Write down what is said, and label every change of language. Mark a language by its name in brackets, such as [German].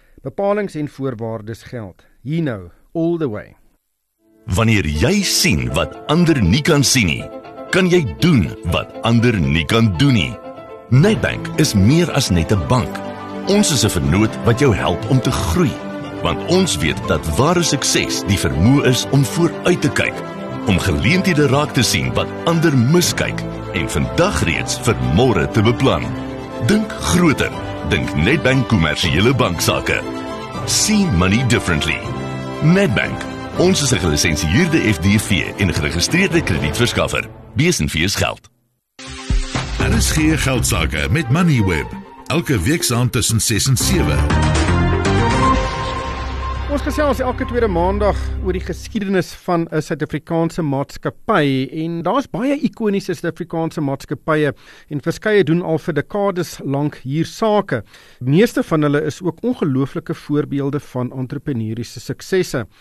[Afrikaans] Bepalings en voorwaardes geld. Hier nou, [English] all the way. [Afrikaans] Wanneer jy sien wat ander nie kan sien nie, kan jy doen wat ander nie kan doen nie. Nedbank is meer as net 'n bank. Ons is 'n vennoot wat jou help om te groei. Want ons weet dat ware sukses die vermoë is om vooruit te kyk, om geleenthede raak te sien wat ander miskyk en vandag reeds vir môre te beplan. Dink groter. Dink Nedbank kommersiële banksaake. [English] See money differently. [Afrikaans] Nedbank. Ons is 'n gelisensieerde FDV en geregistreerde kredietverskaffer. Besenfees geld. Daar is geen geldsaake met Moneyweb. Elke week saam tussen 6 en 7. Ons gesels elke tweede maandag oor die geskiedenis van 'n Suid-Afrikaanse maatskappy en daar's baie ikoniese Suid-Afrikaanse maatskappye en verskeie doen al vir dekades lank hier sake. Meeste van hulle is ook ongelooflike voorbeelde van entrepreneuriese suksesse.